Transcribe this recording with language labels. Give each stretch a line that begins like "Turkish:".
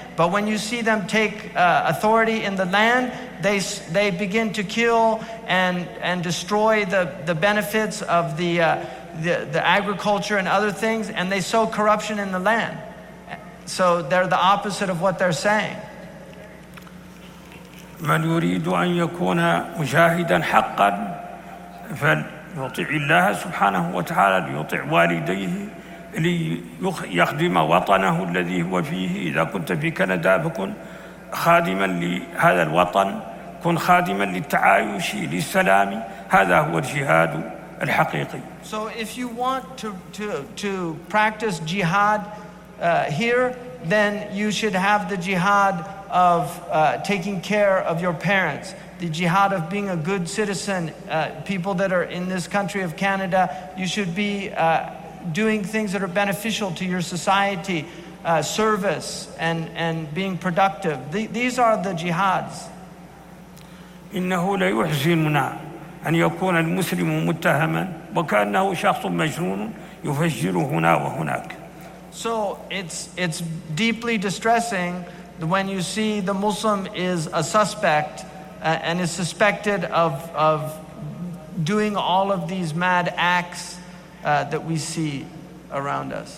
English: But when you see them take authority in the land, they begin to kill and destroy the benefits of the agriculture and other things. And they sow corruption in the land. So they're the opposite of what they're saying.
Arabic: من يريد أن يكون مجاهدا حقا فليطيع الله سبحانه وتعالى ليطيع والديه ليخدم وطنه الذي هو فيه. إذا كنت في كندا فكن خادما لهذا الوطن، كن خادما للتعايش للسلام، هذا هو الجهاد الحقيقي.
English: So if you want to practice jihad here, then you should have the jihad of taking care of your parents. The jihad of being a good citizen, people that are in this country of Canada, you should be doing things that are beneficial to your society, service and being productive. These are the jihads.
Arabic: إنه لا يحزننا أن يكون المسلم متهما وكأنه شخص مجنون يفجر هنا وهناك.
English: So it's deeply distressing when you see the Muslim is a suspect and is suspected of doing all of these mad acts that we see around us.